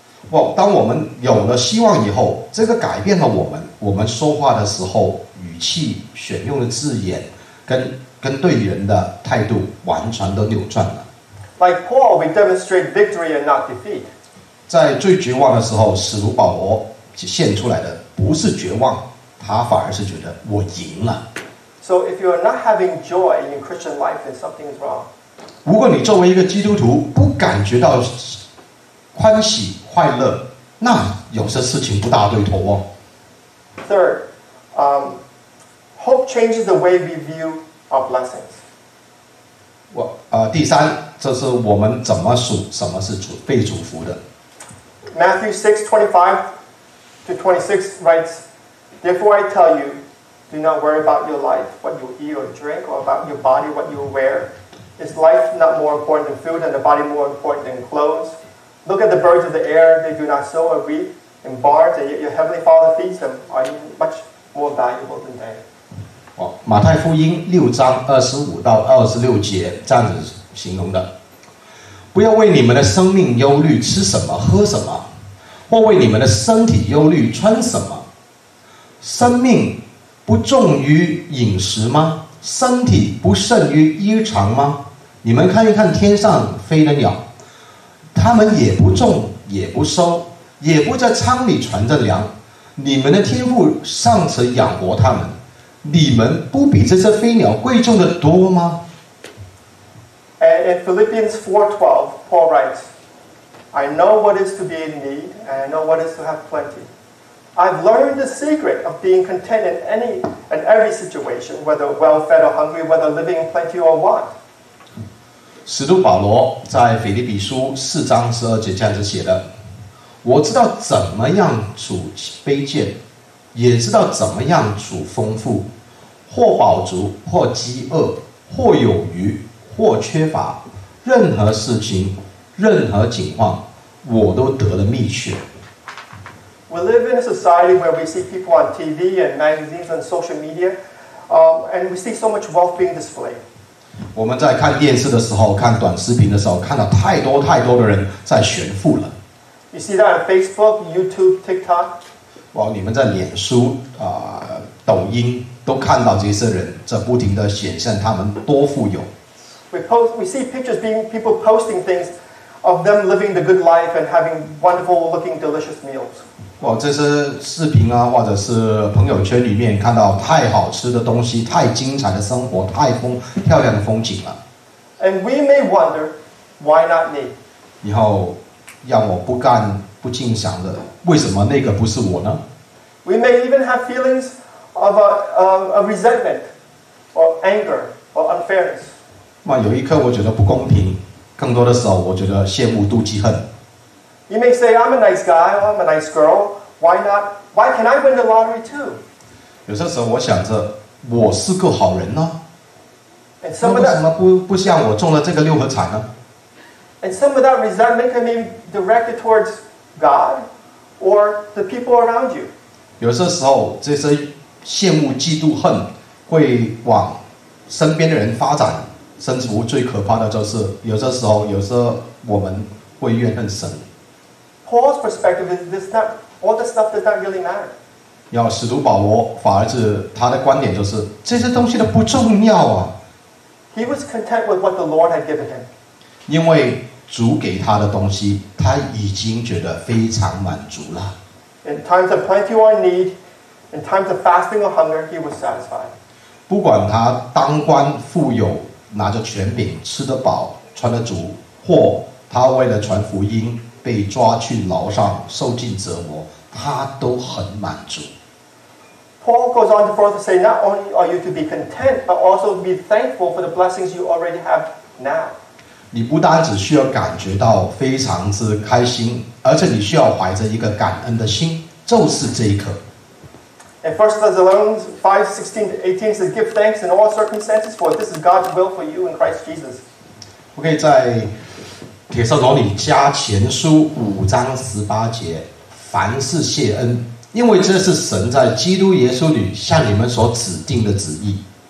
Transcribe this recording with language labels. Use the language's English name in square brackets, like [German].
[English] Well, [Chinese] 当我们有了希望以后，这个改变了我们。我们说话的时候，语气、选用的字眼，跟对人的态度，完全都扭转了。 [English] Like Paul, we demonstrate victory and not defeat. [Chinese] 在最绝望的时候，使徒保罗现出来的不是绝望，他反而是觉得我赢了。 [English] So if you are not having joy in your Christian life, then something is wrong. [Chinese] 如果你作为一个基督徒不感觉到欢喜快乐，那有些事情不大对头哦。 [English] Third, hope changes the way we view our blessings. [Chinese] 第三，这是我们怎么数什么是被祝福的。 [English] Matthew 6:25-26 writes, "Therefore I tell you, do not worry about your life, what you eat or drink, or about your body, what you wear. Is life not more important than food, and the body more important than clothes?" Look at the birds of the air, they do not sow or reap in barns, and yet your heavenly Father feeds them. Are you much more valuable than they? [Chinese] 马太福音6:25-26这样子形容的。不要为你们的生命忧虑吃什么喝什么，或为你们的身体忧虑穿什么。生命不重于饮食吗？身体不胜于衣裳吗？你们看一看天上飞的鸟，他们也不种也不收，也不在仓里存着粮，你们的天父尚且养活他们，你们不比这些飞鸟贵重的多吗？ [English] And in Philippians 4:12, Paul writes, I know what is to be in need, and I know what is to have plenty. I've learned the secret of being content in any and every situation, whether well-fed or hungry, whether living in plenty or want. [Chinese] 使徒保罗在腓立比书4:12这样子写的，我知道怎么样处卑贱，也知道怎么样处丰富，或饱足，或饥饿，或有余，或缺乏，任何事情，任何情况，我都得了秘诀。 [English] We live in a society where we see people on TV and magazines and social media, and we see so much wealth being displayed. [Chinese] 我们在看电视的时候，看短视频的时候，看到太多太多的人在炫富了。 [English] You see that on Facebook, YouTube, TikTok? [Chinese] 你们在脸书、抖音都看到这些人在不停地显现他们多富有。 [English] We see pictures being people posting things of them living the good life and having wonderful looking delicious meals. [Chinese] 这些视频啊，或者是朋友圈里面看到太好吃的东西，太精彩的生活，太漂亮的风景了。 [English] And we may wonder, why not me? [Chinese] 以后让我不干不尽想的，为什么那个不是我呢？ [English] We may even have feelings of a resentment or anger or unfairness. [Chinese] 有一刻我觉得不公平，更多的时候我觉得羡慕妒忌恨。 [English] You may say, I'm a nice guy, or I'm a nice girl. Why not? Why can I win the lottery too? [Chinese] 有些时候我想着，我是个好人呢。 [English] And some of that, [Chinese] 那为什么不像我中了这个六合彩呢？ [English] And some of that resentment can be directed towards God or the people around you. [Chinese] 有些时候这些羡慕、嫉妒、恨会往身边的人发展，甚至最可怕的就是，有些时候我们会怨恨神。 [English] Paul's perspective is this: not all the stuff does not really matter. [Chinese] 要使徒保罗反而是他的观点就是这些东西都不重要啊。 [English] He was content with what the Lord had given him. [Chinese] 因为主给他的东西，他已经觉得非常满足了。 [English] In times of plenty or need, in times of fasting or hunger, he was satisfied. [Chinese] 不管他当官富有，拿着权柄，吃得饱，穿得足，或他为了传福音被抓去牢上受尽折磨，他都很满足。 [English] Paul goes on to further say, not only are you to be content, but also be thankful for the blessings you already have now. [Chinese] 你不单只需要感觉到非常之开心，而且你需要怀着一个感恩的心，就是这一刻。 [English] In 1 Thessalonians 5:16-18 says, give thanks in all circumstances, for this is God's will for you in Christ Jesus. OK, [Chinese] 在帖撒罗尼迦前书5:18，凡事谢恩，因为这是神在基督耶稣里向你们所指定的旨意。